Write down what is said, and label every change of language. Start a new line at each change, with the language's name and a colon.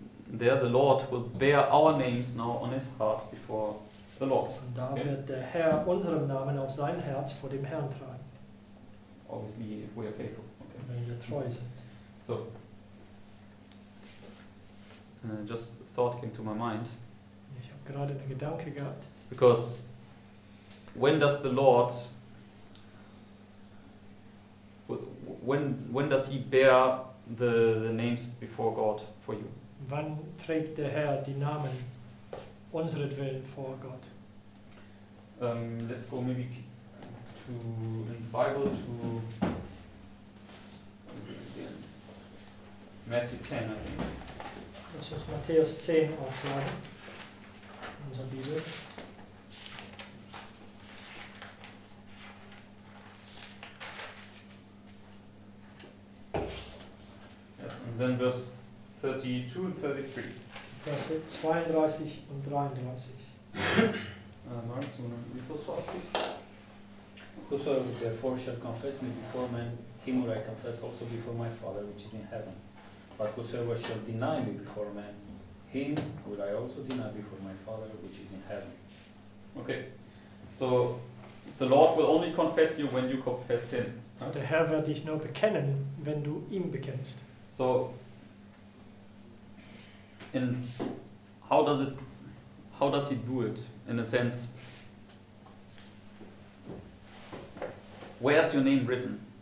English: And there the Lord will bear our names now on his heart before the Lord.
German: Und da wird der Herr unseren Namen auf sein Herz vor dem Herrn tragen.
English: Obviously, if we are faithful.
German: Okay. Wenn wir treu sind.
English: So, just a thought came to my mind.
German: Ich habe gerade einen Gedanke gehabt.
English: Because when does the Lord, when does he bear the names before God for you?
German: Wann trägt der Herr die Namen unseretwillen vor Gott?
English: Let's go maybe to in the Bible to Matthew 10, I think.
German: Das ist Matthäus 10 aufschlagen, unser Bibel.
English: Then verse 32 and 33. Verse 32 and 33. Lorenz, you want to read those words, please? Whosoever therefore shall confess me before men, him will I confess also before my Father which is in heaven. But whosoever shall deny me before men, him will I also deny before my Father which is in heaven. Okay. So the Lord will only confess you when you confess him.
German: So der Herr wird dich nur bekennen, wenn du ihm bekennst.
English: So, and how does it, how does he do it, in a sense, where is your name written?